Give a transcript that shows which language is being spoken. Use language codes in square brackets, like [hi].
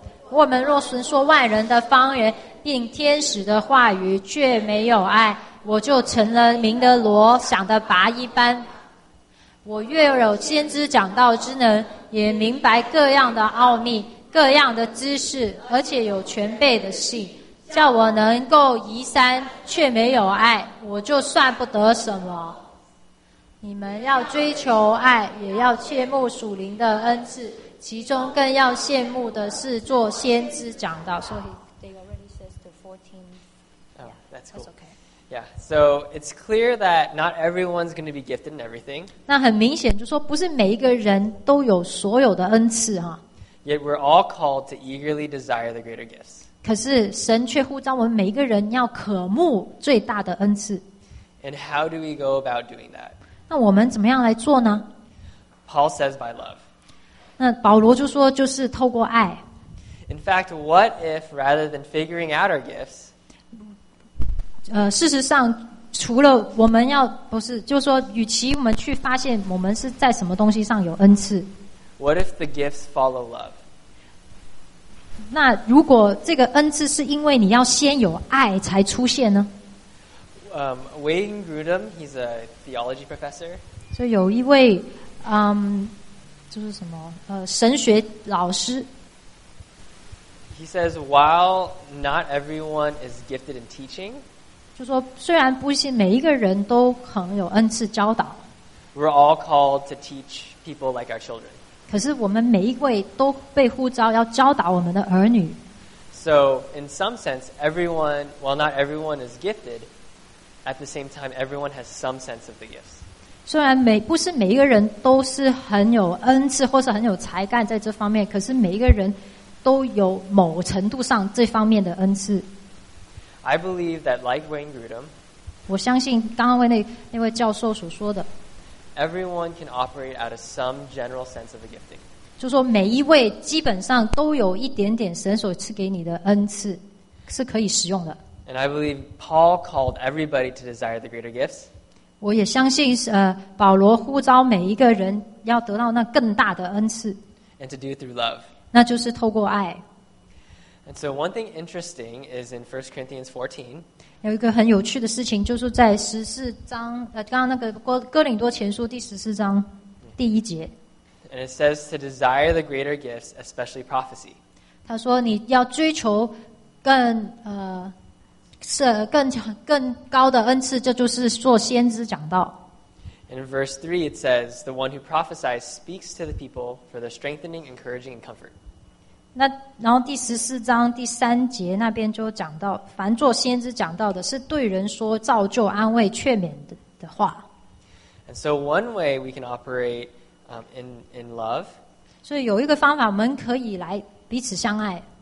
[zh] 我们若存说万人的方言并天使的话语却没有爱我就成了明的罗想的拔一般我越有先知讲道之能也明白各样的奥秘各样的知识而且有全备的信叫我能够移山却没有爱我就算不得什么你们要追求爱也要切慕属灵的恩赐其中更要羡慕的是做先知讲道 [en] So they already says to 14 Oh, that's cool. That's okay. Yeah, so it's clear that not everyone's going to be gifted in everything. [zh] 那很明显就说不是每一个人都有所有的恩赐啊。 [en] Yet we're all called to eagerly desire the greater gifts. [zh] 可是神却呼召我们每一个人要渴慕最大的恩赐。 [en] And how do we go about doing that? [zh] 那我们怎么样来做呢？ [en] Paul says by love. [zh] 那保罗就说就是透过爱。 [en] In fact, what if rather than figuring out our gifts, [zh] 事实上除了我们要不是就是说与其我们去发现我们是在什么东西上有恩赐 [en] What if the gifts follow love? [zh] 那如果这个恩赐是因为你要先有爱才出现呢 [en] Wayne Grudem, he's a theology professor [zh] 所以有一位就是什么神学老师 [en] He says while not everyone is gifted in teaching [zh] 就说虽然不信每一个人都很有恩赐教导 [en] We're all called to teach people like our children [zh] 可是我们每一位都被呼召要教导我们的儿女 [en] So in some sense everyone well not everyone is gifted at the same time everyone has some sense of the gifts [zh] 虽然不是每一个人都是很有恩赐或是很有才干在这方面可是每一个人都有某程度上这方面的恩赐 [en] I believe that like Wayne Grudem, [zh] 我相信刚刚那位教授所说的 [en] everyone can operate out of some general sense of the gifting. [zh] 就说每一位基本上都有一点点神所赐给你的恩赐是可以使用的。 [en] And I believe Paul called everybody to desire the greater gifts. [zh] 我也相信保罗呼召每一个人要得到那更大的恩赐。 [en] And to do through love. [zh] 那就是透过爱。 [en] And so one thing interesting is in 1 Corinthians 14. [zh] 有一个很有趣的事情就是在14章刚刚那个哥林多前书第14章第一节。 [en] And it says to desire the greater gifts, especially prophecy. [zh] 他说你要追求更高的恩赐这就是做先知讲道。 [en] And in verse 3 it says, the one who prophesies speaks to the people for their strengthening, encouraging, and comfort. [zh] 那然后第十四章第三节那边就讲到，凡做先知讲到的是对人说造就、安慰、劝勉 的话。 [en] And so one way we can operate in love. [zh] 所以有一个方法我们可以来彼此相爱。